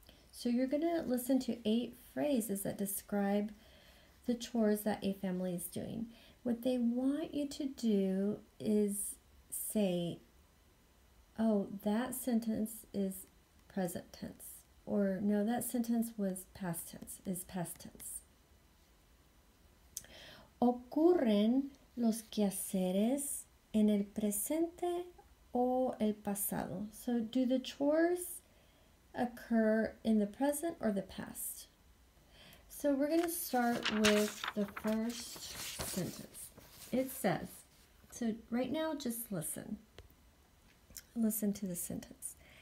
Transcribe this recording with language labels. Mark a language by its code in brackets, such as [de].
[en] So you're gonna listen to 8 phrases that describe the chores that a family is doing. What they want you to do is say, oh, that sentence is present tense, or no, that sentence was past tense, is past tense. [es] Ocurren los quehaceres en el presente o el pasado. [en] So do the chores occur in the present or the past? So we're going to start with the first sentence. It says, so right now just listen. Listen to the sentence.